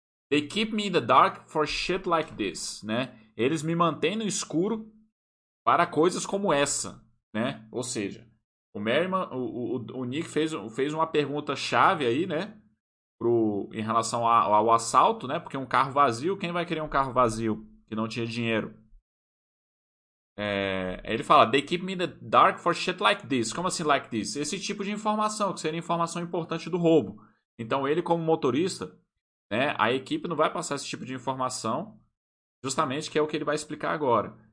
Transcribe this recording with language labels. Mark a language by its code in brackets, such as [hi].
[en] They keep me in the dark for shit like this, né? [pt] Eles me mantêm no escuro para coisas como essa, né? Ou seja, o Merriman, o Nick fez uma pergunta chave aí, né? Em relação ao assalto, né? Porque um carro vazio, quem vai querer um carro vazio que não tinha dinheiro? Ele fala, [en] they keep me in the dark for shit like this. [pt] Como assim like this? Esse tipo de informação, que seria informação importante do roubo. Então ele como motorista, né? A equipe não vai passar esse tipo de informação. Justamente que é o que ele vai explicar agora.